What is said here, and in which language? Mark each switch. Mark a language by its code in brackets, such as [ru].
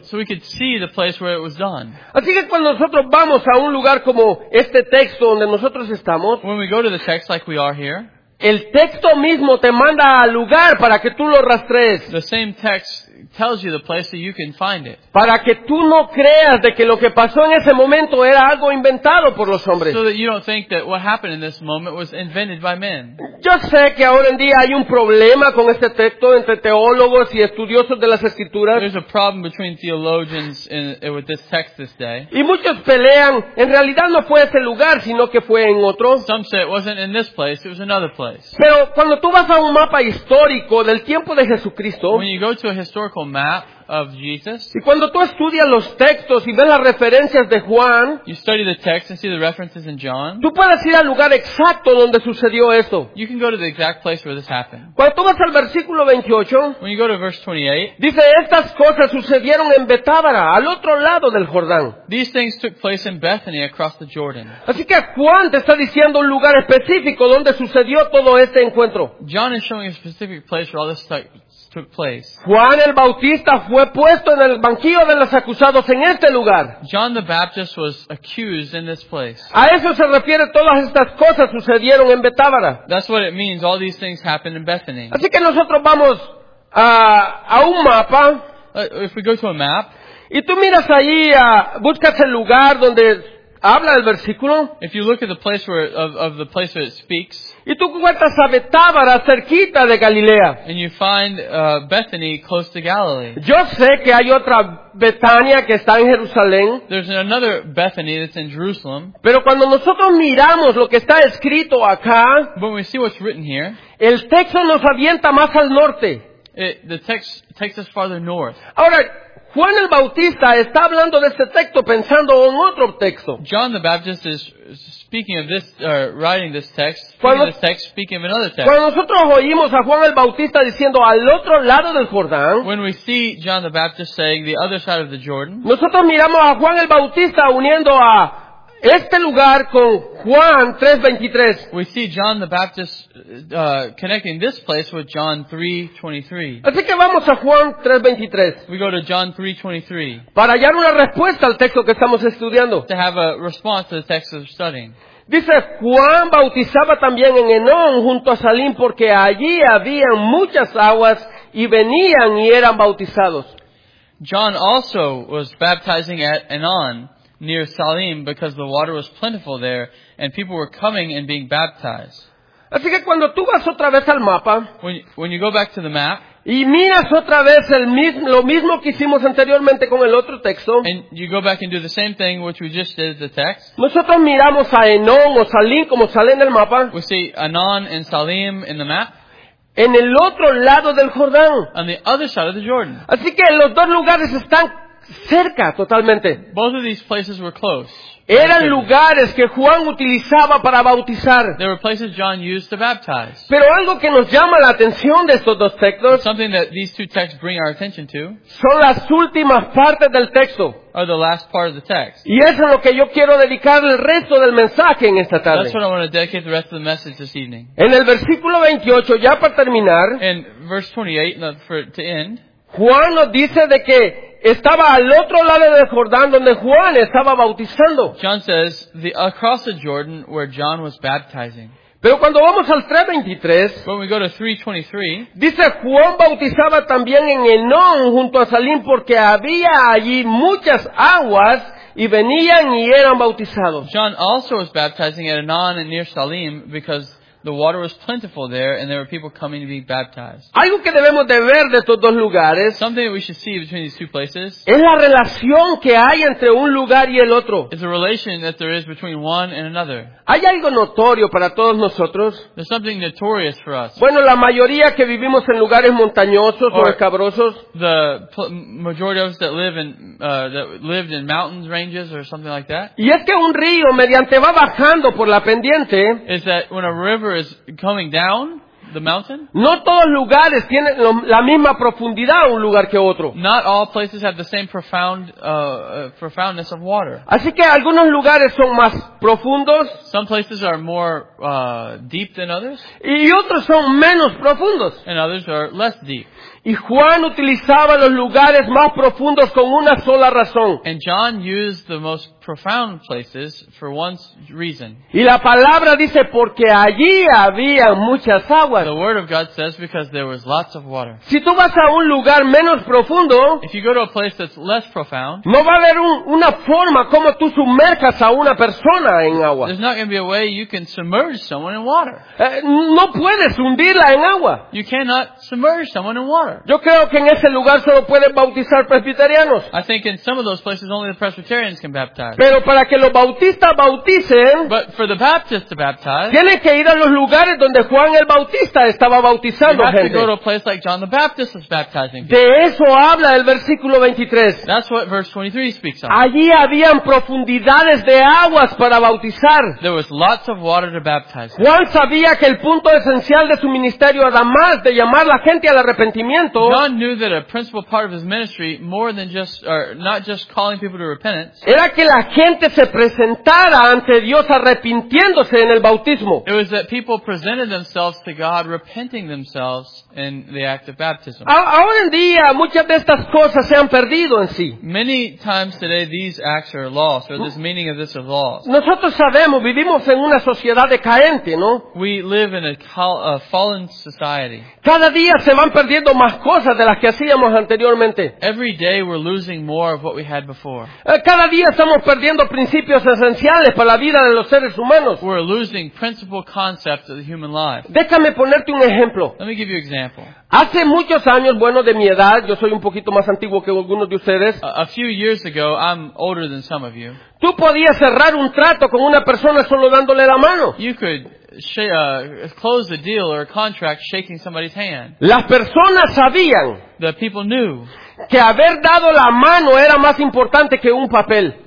[en] So we could see the place where it was done. [es] Así que cuando nosotros vamos a un lugar como este texto donde nosotros estamos, [en] when we go to the text like we are here, [es] el texto mismo te manda al lugar para que tú lo rastrees. [en] The same text tells you the place that you can find it. [es] Para que tú no creas de que lo que pasó en ese momento era algo inventado por los hombres. [en] So that you don't think that what happened in this moment was invented by men. [es] Yo sé que ahora en día hay un problema con este texto entre teólogos y estudiosos de las Escrituras. [en] There's a problem between theologians with this text this day. [es] Y muchos pelean. En realidad no fue ese lugar, sino que fue en otro. [en] Some say it wasn't in this place, it was another place. [es] Pero cuando tú vas a un mapa histórico del tiempo de Jesucristo, [en] when you go to a historical map of Jesus. [es] Y cuando tú estudias los textos y ves las referencias de Juan, [en] you study the text and see the references in John. [es] Tú puedes ir al lugar exacto donde sucedió esto. [en] You can go to the exact place where this happened. [es] Cuando tú vas al versículo 28, [en] when you go to verse 28, [es] dice, estas cosas sucedieron en Betábara, al otro lado del Jordán. [en] These things took place in Bethany across the Jordan. [es] Así que Juan te está diciendo un lugar específico donde sucedió todo este encuentro. [en] John is showing a specific place where all this took place. [es] Juan el Bautista fue puesto en el banquillo de los acusados en este lugar. [en] John the Baptist was accused in this place. [es] A eso se refiere todas estas cosas sucedieron en Betábara. [en] That's what it means, all these things happened in Bethany. [es] Así que nosotros vamos a un mapa. [en] If we go to a map. [es] Y tú miras allí, buscas el lugar donde habla el versículo. [en] If you look at the place where of the place where it speaks. [es] Y tú encuentras a Betábara cerquita de Galilea. [en] And you find Bethany close to Galilee. [es] Yo sé que hay otra Betania que está en Jerusalén. [en] There's another Bethany that's in Jerusalem. [es] Pero cuando nosotros miramos lo que está escrito acá, [en] when we see what's written here, [es] el texto nos avienta más al norte. [en] The text takes us farther north. [es] Ahora, Juan el Bautista está hablando de este texto pensando en otro texto. [en] John the Baptist is speaking of this, writing this text, speaking of another text. [es] Cuando nosotros oímos a Juan el Bautista diciendo al otro lado del Jordán, [en] when we see John the Baptist saying the other side of the Jordan, [es] nosotros miramos a Juan el Bautista uniendo a este lugar con Juan 3:23. [en] We see John the Baptist connecting this place with John 3:23. [es] Así que vamos a Juan 3:23. [en] We go to John 3:23. [es] Para hallar una respuesta al texto que estamos estudiando. [en] To have a response to the text we're studying. [es] Dice, Juan bautizaba también en Enón junto a Salim porque allí habían muchas aguas y venían y eran bautizados. [en] John also was baptizing at Enon, near Salim, because the water was plentiful there, and people were coming and being baptized. [es] Así que cuando tú vas otra vez al mapa, [en] when you go back to the map, [es] y miras otra vez lo mismo que hicimos anteriormente con el otro texto, [en] and you go back and do the same thing which we just did the text, [es] nosotros miramos a Enon o Salim como sale en el mapa, [en] we see Enon and Salim in the map, [es] en el otro lado del Jordán, [en] on the other side of the Jordan. [es] Así que los dos lugares están cerca totalmente. [en] Both of these places were close. [es] Eran lugares que Juan utilizaba para bautizar. [en] There were places John used to baptize. [es] Pero algo que nos llama la atención de estos dos textos, [en] something that these two texts bring our attention to, [es] son las últimas partes del texto. [en] Are the last part of the text. [es] Y eso es lo que yo quiero dedicar el resto del mensaje en esta tarde. [en] That's what I want to dedicate the rest of the message this evening. [es] En el versículo 28, ya para terminar, [en] in verse 28, to end, [es] Juan nos dice de que estaba al otro lado del Jordán donde Juan estaba bautizando. [en] John says, across the Jordan where John was baptizing. [es] Pero cuando vamos al 3:23, [en] when we go to 3:23, [es] dice Juan bautizaba también en Enón junto a Salim porque había allí muchas aguas y venían y eran bautizados. [en] John also was baptizing at Enon and near Salim because the water was plentiful there, and there were people coming to be baptized. [es] Algo que debemos de ver de estos dos lugares, [en] something that we should see between these two places, [es] es la relación que hay entre un lugar y el otro. [en] It's a relation that there is between one and another. [es] Hay algo notorio para todos nosotros. [en] There's something notorious for us. [es] Bueno, la mayoría que vivimos en lugares montañosos o escabrosos, [en] the majority of us that live in that lived in mountains ranges or something like that. [es] Y es que un río mediante va bajando por la pendiente, [en] is that when a river is coming down the mountain? [es] No todos lugares tienen la misma profundidad un lugar que otro. [en] Not all places have the same profoundness of water. [es] Así que algunos lugares son más profundos. [en] Some places are more deep than others. [es] Y otros son menos profundos. [en] And others are less deep. [es] Y Juan utilizaba los lugares más profundos con una sola razón. [en] And John used the most profound places for one reason. [es] Y la palabra dice porque allí había muchas aguas. [en] The word of God says because there was lots of water. [es] Si tú vas a un lugar menos profundo, [en] if you go to a place that's less profound, [es] no va a haber una forma como tú sumerjas a una persona en agua. [en] There's not going to be a way you can submerge someone in water. [es] No puedes hundirla en agua. [en] You cannot submerge someone in water. [es] Yo creo que en ese lugar solo pueden bautizar presbiterianos. [en] I think in some of those places only the Presbyterians can baptize. [es] Pero para que los bautistas bauticen, [en] but for the Baptist to baptize, [es] tienen que ir a los lugares donde Juan el Bautista estaba bautizando gente. [en] You have to go to a place like John the Baptist was baptizing. [es] De eso habla el versículo 23. [en] That's what verse 23 speaks of. [es] Allí habían profundidades de aguas para bautizar. [en] There was lots of water to baptize. [es] Juan sabía que el punto esencial de su ministerio, además de llamar la gente al arrepentimiento, [en] John knew that a principal part of his ministry, more than just or not just calling people to repentance, [es] era que la gente se presentara ante Dios arrepintiéndose en el bautismo. [en] It was that people presented themselves to God repenting themselves in the act of baptism. [es] Hoy en día muchas de estas cosas se han perdido en sí. [en] Many times today these acts are lost, or this meaning of this is lost. [es] Nosotros sabemos, vivimos en una sociedad decaente, ¿no? [en] We live in a fallen society. [es] Cada día se van perdiendo más más cosas de las que hacíamos anteriormente. [en] Every day we're losing more of what we had before. [es] Cada día estamos perdiendo principios esenciales para la vida de los seres humanos. [en] We're losing principal concepts of the human life. [es] Déjame ponerte un ejemplo. [en] Let me give you an example. [es] Hace muchos años, bueno, de mi edad, yo soy un poquito más antiguo que algunos de ustedes. [en] A few years ago, I'm older than some of you. [es] Tú podías cerrar un trato con una persona solo dándole la mano. [en] You could close a deal or a contract shaking somebody's hand. [es] Las personas sabían. [en] The people knew. [es] Que haber dado la mano era más importante que un papel.